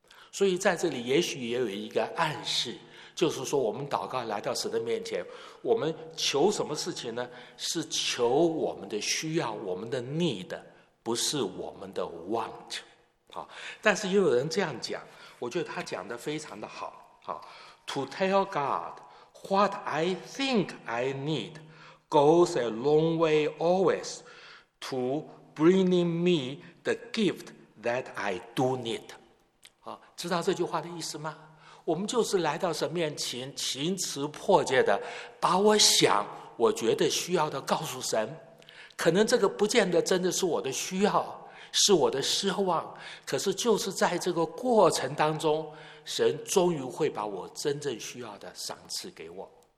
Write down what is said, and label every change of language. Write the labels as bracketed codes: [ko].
[zh] 所以在这里也许也有一个暗示，就是说我们祷告来到神的面前，我们求什么事情呢？是求我们的需要，我们的 need， 不是我们的 want。好，但是也有人这样讲，我觉得他讲得非常的好。好， [en] To tell God what I think I need goes a long way always to bringing me the gift that I do need。 [zh] 好，知道这句话的意思吗？我们就是来到神面前，情辞迫切的把我想我觉得需要的告诉神，可能这个不见得真的是我的需要，是我的奢望，可是就是在这个过程当中，神终于会把我真正需要的赏赐给我。